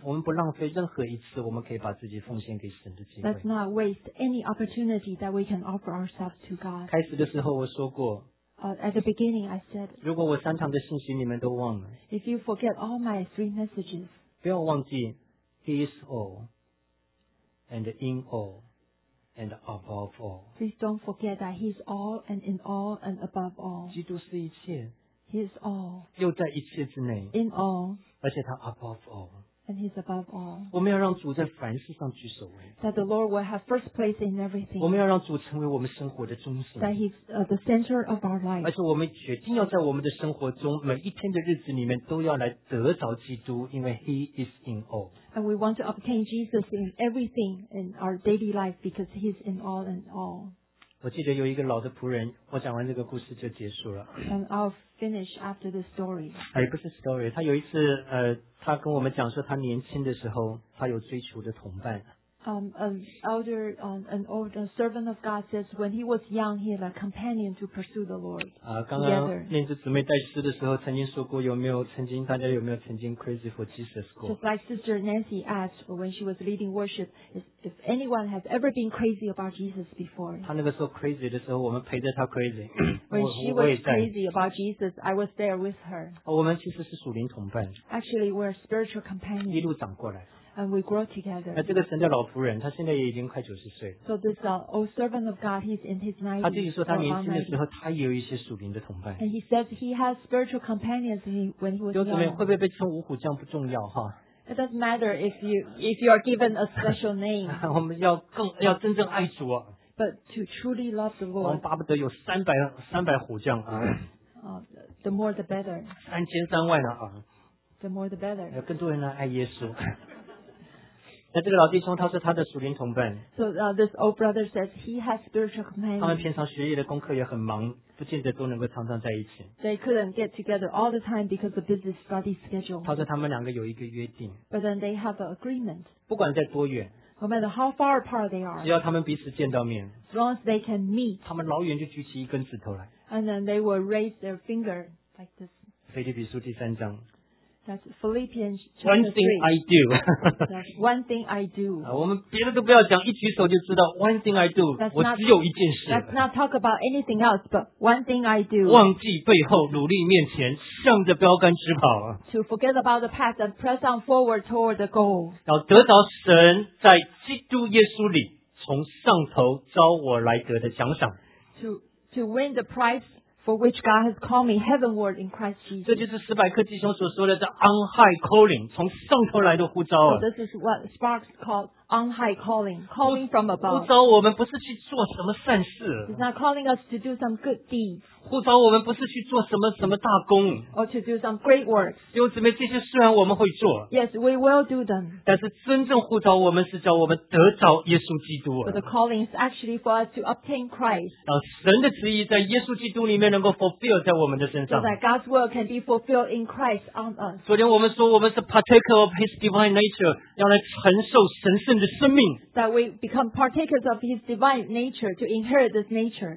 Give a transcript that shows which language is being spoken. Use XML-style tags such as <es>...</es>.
<zh>我们不浪费任何一次我们可以把自己奉献给神的机会。</zh> <en>Let's not waste any opportunity that we can offer ourselves to God.</en> <zh>开始的时候我说过。</zh> <en>At the beginning, I said.</en> <zh>如果我三堂的信息你们都忘了。</zh> <en>If you forget all my three messages.</en> <zh>不要忘记。</zh> <en>He is all, and in all, and above all. Please don't forget that He is all, and in all, and above all.</en> <zh>基督是一切。</zh> <en>He is all.</en> <zh>又在一切之内。</zh> <en>In all.</en> <zh>而且他</zh> <en>above all. And He is above all.</en> <zh>我们要让主在凡事上居首位。</zh> <en>That the Lord will have first place in everything.</en> <zh>我们要让主成为我们生活的中心。</zh> <en>That He's the center of our life.</en> <zh>而且我们决定要在我们的生活中每一天的日子里面都要来得着基督，因为</zh> <en>He is in all. And we want to obtain Jesus in everything in our daily life because He's in all and all.</en> <zh>我记得有一个老的仆人，我讲完这个故事就结束了。</zh> <en>And I'll finish after the story.</en> <zh>哎，不是 story. 他有一次，他跟我们讲说，他年轻的时候，他有追求的同伴。</zh> <en>An older servant of God says when he was young, he had a companion to pursue the Lord.</en> <zh>刚刚那只姊妹带诗的时候曾经说过，有没有曾经大家有没有曾经</zh> <en>crazy for Jesus</en> <zh>过？</zh> <en>Just like Sister Nancy asked when she was leading worship, if anyone has ever been crazy about Jesus before?</en> <zh>她那个时候 crazy 的时候，我们陪着她 crazy.</zh> <en>When she was crazy about Jesus, I was there with her.</en> <zh>我们其实是属灵同伴。</zh> <en>Actually, we're spiritual companions.</en> <zh>一路长过来。</zh> <en>And we grow together.</en> <zh>那这个神的老仆人，他现在也已经快90岁。So</zh> <en>this old servant of God, he's in his 90s.</en> <zh>他自己说，他年轻的时候，他也有一些属灵的同伴。And</zh> <en>he says he has spiritual companions when he was young.</en> <zh>弟兄姊妹，会不会被称五虎将不重要哈。It</zh> <en>doesn't matter if you are given a special name.</en> <zh>我们要真正爱主。But</zh> <en>to truly love the Lord.</en> <zh>我们巴不得有三百虎将啊。The</zh> <en>more the better.</en> <zh>三千三万啊。The</zh> <en>more the better.</en> <zh>要更多人来爱耶稣。那这个老弟兄他是他的属灵同伴。</zh> <en>So this old brother says he has spiritual companions.</en> <zh>他们平常学业的功课也很忙，不见得都能够常常在一起。</zh> <en>They couldn't get together all the time because of busy study schedule.</en> <zh>他说他们两个有一个约定。</zh> <en>But then they have an agreement.</en> <zh>不管在多远。</zh> <en>No matter how far apart they are.</en> <zh>只要他们彼此见到面。</zh> <en>As long as they can meet.</en> <zh>他们老远就举起一根指头来。</zh> <en>And then they will raise their finger like this.</en> <zh>腓立比书第三章。</zh> <en>That's Philippians chapter 3. One thing I do. One thing I do. Let's not talk about anything else, but one thing I do.</en> <zh>忘记背后，努力面前，向着标杆。</zh> <en>To forget about the past and press on forward toward the goal.</en> <zh>要得到神在基督耶稣里从上头召我来得的奖赏。</zh> <en>To win the prize. For which God has called me heavenward in Christ Jesus.</en> <zh>这就是斯百克弟兄所说的</zh> <en>on high calling,</en> <zh>从上头来的呼召。</zh> <en>So this is what Sparks called on high calling, calling from above.</en> <zh>呼召我们不是去做什么善事。</zh> <en>He's not calling us to do some good deeds.</en> <zh>呼召我们不是去做什么大功。</zh> <en>Or to do some great works.</en> <zh>弟兄姊妹，这些虽然我们会做。</zh> <en>Yes, we will do them.</en> <zh>但是真正呼召我们是叫我们得着耶稣基督。</zh> <en>But the calling is actually for us to obtain Christ.</en> <zh>神的旨意在耶稣基督里面能够 fulfill 在我们的身上。</zh> <en>So that God's will can be fulfilled in Christ on us.</en> <zh>昨天我们说我们是</zh> <en>partaker of His divine nature,</en> <zh>要来承受神圣的生命。</zh> <en>That we become partakers of His divine nature to inherit this nature.</en>